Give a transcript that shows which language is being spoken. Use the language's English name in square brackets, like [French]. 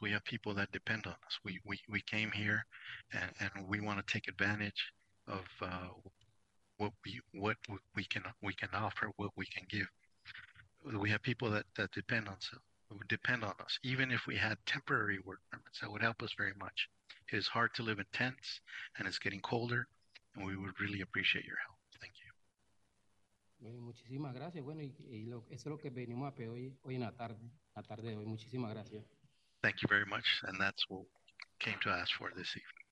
[English] We have people that depend on us. We came here, and we want to take advantage of what we can offer, what we can give. We have people that depend on us. Even if we had temporary work permits, that would help us very much. It is hard to live in tents, and it's getting colder. And we would really appreciate your help. Thank you. [Spanish] Bueno, muchísimas gracias. Bueno, eso es lo que venimos a pedir hoy en la tarde de hoy. Muchísimas gracias. [English] Thank you very much. And that's what we came to ask for this evening.